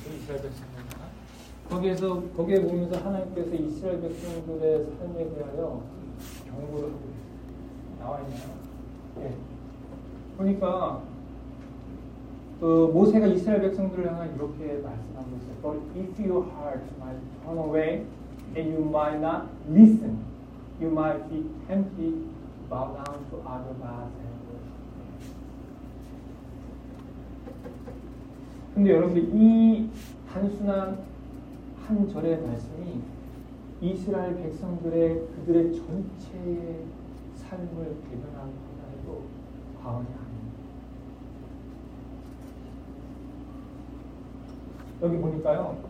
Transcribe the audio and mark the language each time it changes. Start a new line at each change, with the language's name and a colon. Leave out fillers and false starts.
Korean: 이스라엘 백성들. 거기에 보면서 하나님께서 이스라엘 백성들의 삶에 대하여 경고를 하고 나와있네요. 예. 보니까, 모세가 이스라엘 백성들을 향해 이렇게 말씀하고 있어요.
English: But if your heart might turn away and you might not listen, you might be tempted bow down to other gods.
Korean: 근데 여러분들 이 단순한 한 절의 말씀이 이스라엘 백성들의 그들의 전체의 삶을 대변한 것만으로 과언이 아닙니다. 여기 보니까요.